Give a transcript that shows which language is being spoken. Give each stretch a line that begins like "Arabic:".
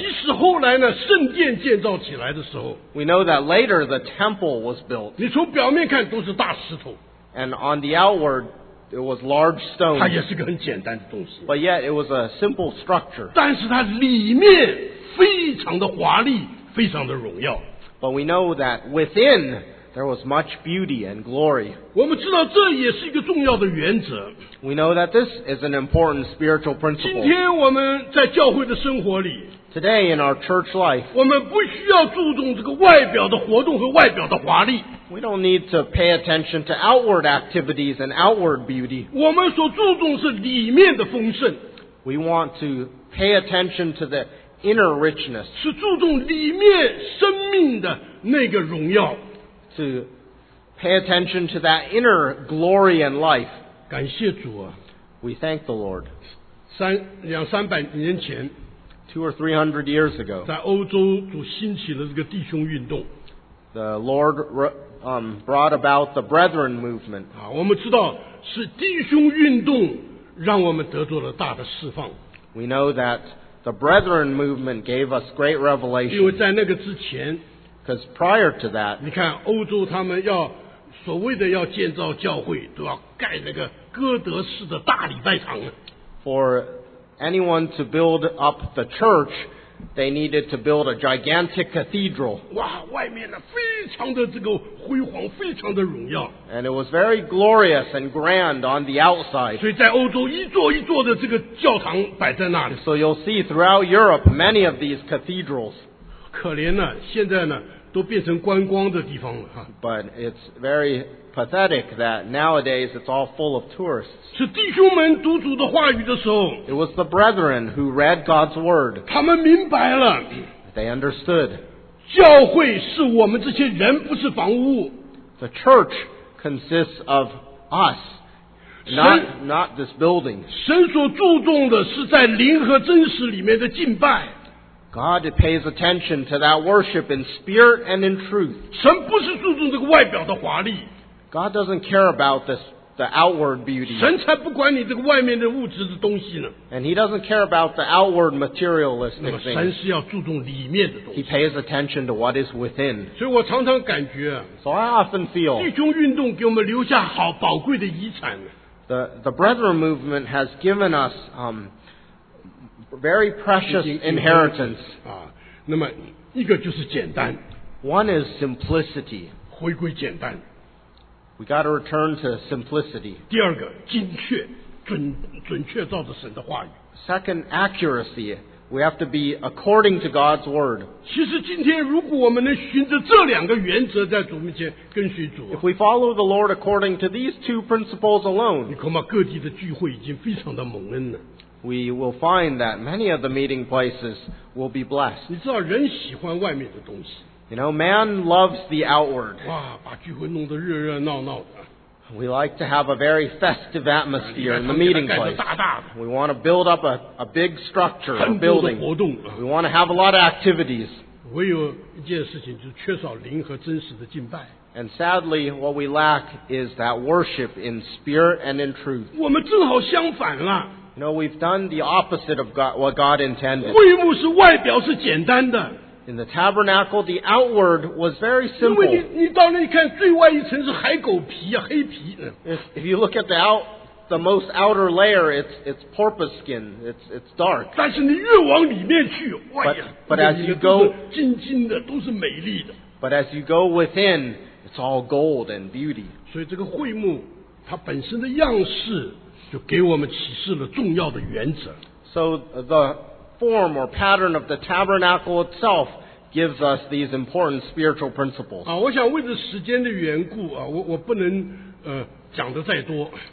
Chinese: 即使后来呢，圣殿建造起来的时候。
English: We know that later the temple was built.
Chinese: 你从表面看都是大石头。
English: And on the outward, it was large stones.
Chinese: 它也是个很简单的东西。
English: But yet it was a simple structure.
Chinese: 但是它里面非常的华丽，非常的荣耀。
English: But we know that within there was much beauty and glory.
Chinese: 我们知道这也是一个重要的原则。
English: We know that this is an important spiritual principle.
Chinese: 今天我们在教会的生活里，
English: today in our church life,
Chinese: 我们不需要注重这个外表的活动和外表的华丽。
English: We don't need to pay attention to outward activities and outward beauty.
Chinese: 我们所注重是里面的丰盛。
English: We want to pay attention to the inner richness,
Chinese: 是注重里面生命的那个荣耀。
English: To pay attention to that inner glory and life.
Chinese: 感谢主啊。
English: We thank the Lord.
Chinese: 两三百年前，
English: two or three hundred years ago,
Chinese: 在欧洲主兴起了这个弟兄运动。
English: The Lord brought about the brethren movement.
Chinese: 啊，我们知道是弟兄运动让我们得到了大的释放。
English: We know that the brethren movement gave us great revelation.
Chinese: 因为在那个之前，
English: because prior to that,
Chinese: 你看欧洲他们要所谓的要建造教会，都要盖那个哥德式的大礼拜堂。
English: For anyone to build up the church, they needed to build a gigantic cathedral.
Chinese: 哇，外面呢非常的这个辉煌，非常的荣耀。
English: And it was very glorious and grand on the outside.
Chinese: 所以在欧洲一座一座的这个教堂摆在那里。
English: So you'll see throughout Europe many of these cathedrals.
Chinese: 可怜呢，现在呢都变成观光的地方了哈。
English: But it's very pathetic that nowadays it's all full of tourists.
Chinese: 是弟兄们读主的话语的时候，
English: it was the brethren who read God's word.
Chinese: 他们明白了，
English: they understood.
Chinese: 教会是我们这些人，不是房屋。
English: The church consists of us, not this building.
Chinese: 神所注重的是在灵和真实里面的敬拜。
English: God pays attention to that worship in spirit and in truth.
Chinese: 神不是注重这个外表的华丽。
English: God doesn't care about the outward beauty.
Chinese: 神才不管你这个外面的物质的东西呢。
English: And he doesn't care about the outward materialistic things.
Chinese: 那么神是要注重里面的东西。
English: He pays attention to what is within.
Chinese: 所以我常常感觉啊。
English: So I often feel.
Chinese: 弟兄运动给我们留下好宝贵的遗产。
English: The brethren movement has given us, very precious inheritance.
Chinese: 那么一个就是简单。
English: One is simplicity.
Chinese: 回归简单。
English: We got to return to simplicity.
Chinese: 第二个，精确，准确照着神的话语。
English: Second, accuracy. We have to be according to God's word.
Chinese: 其实今天如果我们能循着这两个原则在主面前跟随主。
English: If we follow the Lord according to these two principles alone.
Chinese: 你恐怕各地的聚会已经非常的蒙恩了。
English: We will find that many of the meeting places will be blessed.
Chinese: 你知道人喜欢外面的东西。
English: You know, man loves the outward.
Chinese: 哇，把聚会弄得热热闹闹的。
English: We like to have a very festive atmosphere in the meeting place.
Chinese: 盖得大大的。
English: We want to build up a big structure, a building.
Chinese: 很多的活动。
English: We want to have a lot of activities.
Chinese: 唯有一件事情就是缺少灵和真实的敬拜。
English: And sadly, what we lack is that worship in spirit and in truth.
Chinese: 我们正好相反了。
English: You know, we've done the opposite of God, what God intended.
Chinese: 会幕是外表是简单的。
English: In the tabernacle, the outward was very simple.
Chinese: 因为你到那一看，最外一层是海狗皮啊，黑皮。
English: If you look at the most outer layer, it's porpoise skin. It's dark.
Chinese: 但是你越往里面去，
English: But as you go,
Chinese: 金金的都是美丽的。
English: But as you go within, it's all gold and beauty.
Chinese: 所以这个会幕它本身的样式就给我们启示了重要的原则。
English: So the form or pattern of the tabernacle itself gives us these important spiritual principles.
Chinese: 我想为着时间的缘故啊，我不能讲得再多。